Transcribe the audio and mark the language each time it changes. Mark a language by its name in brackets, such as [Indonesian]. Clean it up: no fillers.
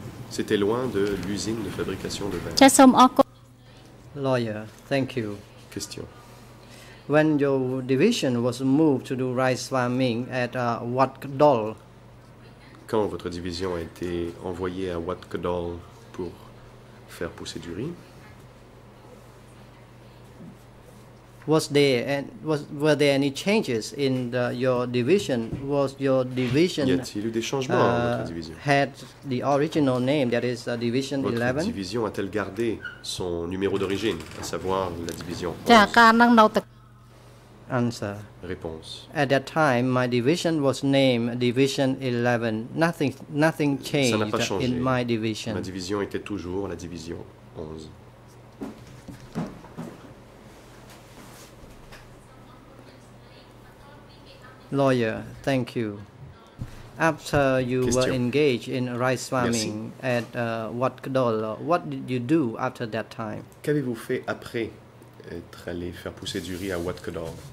[French] C'était loin de l'usine de fabrication de vin. [English] Lawyer, thank you. Question. When your division was moved to do rice farming at Wat Kdol, [French] quand votre division a été envoyée à Wat Kdol pour faire pousser du riz, [English] Were there any changes in your division? Was your division [French] Y a-t-il eu des changements dans votre division? [English] Had the original name, that is division 11? [French] Votre division a-t-elle gardé son numéro d'origine, à savoir la division 11? [English] Answer. [French] Réponse. [English] At that time, my division was named division 11. Nothing changed in my division. [French] Ma division était toujours la division 11. [English] Lawyer, thank you. After you Question. Were engaged in rice farming [French] Merci. [English] At Wat Kdol, what did you do after that time? [French] Qu'avez-vous fait après être allé faire pousser du riz à Wat Kdol?